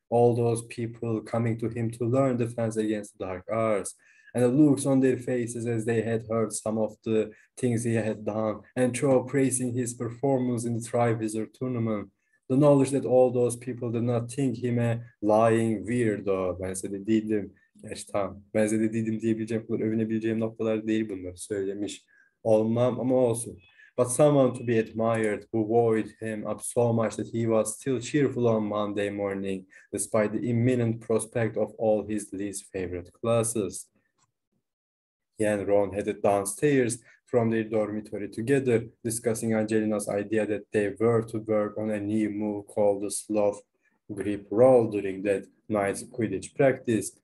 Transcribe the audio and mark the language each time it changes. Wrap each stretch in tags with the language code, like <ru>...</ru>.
<en>All those people coming to him to learn defense against the dark arts. And the looks on their faces as they had heard some of the things he had done, and Cho praising his performance in the Triwizard Tournament. The knowledge that all those people did not think him a lying weirdo.</en> <tr>Ben size de dedim. Gerçi tamam. Ben size de dedim diyebileceğim kadar övünebileceğim noktalar değil bunlar. Söylemiş olmam ama olsun.</tr> <en>But someone to be admired, who worried him up so much that he was still cheerful on Monday morning, despite the imminent prospect of all his least favorite classes. He and Ron headed downstairs from their dormitory together, discussing Angelina's idea that they were to work on a new move called the Sloth Grip Roll during that night's Quidditch practice.</en>